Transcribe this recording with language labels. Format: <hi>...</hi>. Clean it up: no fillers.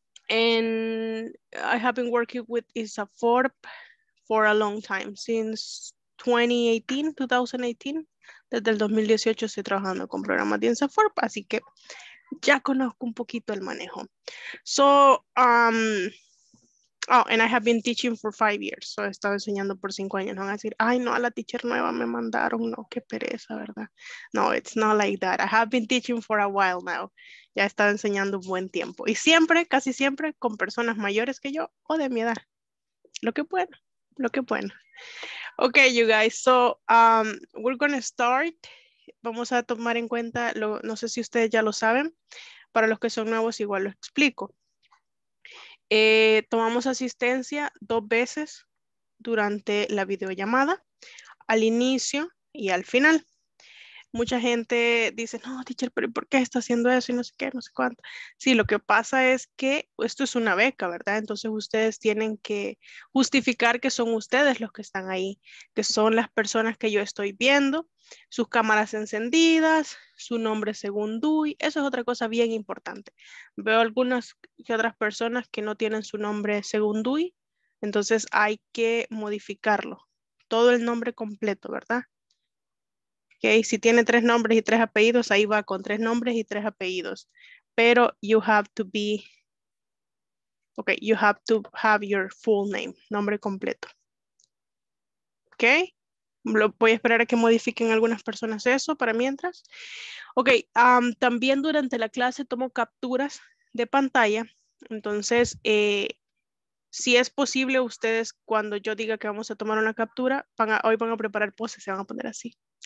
<en>And I have been working with ISAFORP for a long time, since 2018,</en> <es>desde el 2018 estoy trabajando con programas de ISAFORP, así que ya conozco un poquito el manejo.</es> <en>So, and I have been teaching for 5 years,</en> <es>so he estado enseñando por 5 años, no van a decir, ay no, a la teacher nueva me mandaron, no, qué pereza, ¿verdad?</es> <en>No, it's not like that, I have been teaching for a while now.</en> <es>Ya he estado enseñando un buen tiempo. Y siempre, casi siempre, con personas mayores que yo o de mi edad. Lo que bueno.</es> <en>Ok, you guys. So, we're going to start.</en> <es>Vamos a tomar en cuenta, no sé si ustedes ya lo saben. Para los que son nuevos, igual lo explico. Tomamos asistencia 2 veces durante la videollamada. Al inicio y al final. Mucha gente dice, no, teacher, pero ¿por qué está haciendo eso? Y no sé qué, no sé cuánto. Sí, lo que pasa es que esto es una beca, ¿verdad? Entonces ustedes tienen que justificar que son ustedes los que están ahí, que son las personas que yo estoy viendo, sus cámaras encendidas, su nombre según DUI. Eso es otra cosa bien importante. Veo algunas y otras personas que no tienen su nombre según DUI, entonces hay que modificarlo, todo el nombre completo, ¿verdad? Okay, si tiene 3 nombres y 3 apellidos, ahí va con 3 nombres y 3 apellidos.</es> <en>Pero you have to be, okay, you have to have your full name,</en> <es>nombre completo. Okay, voy a esperar a que modifiquen algunas personas eso para mientras. Okay, también durante la clase tomo capturas de pantalla. Entonces, si es posible, ustedes cuando yo diga que vamos a tomar una captura, van a preparar poses, se van a poner así.</es>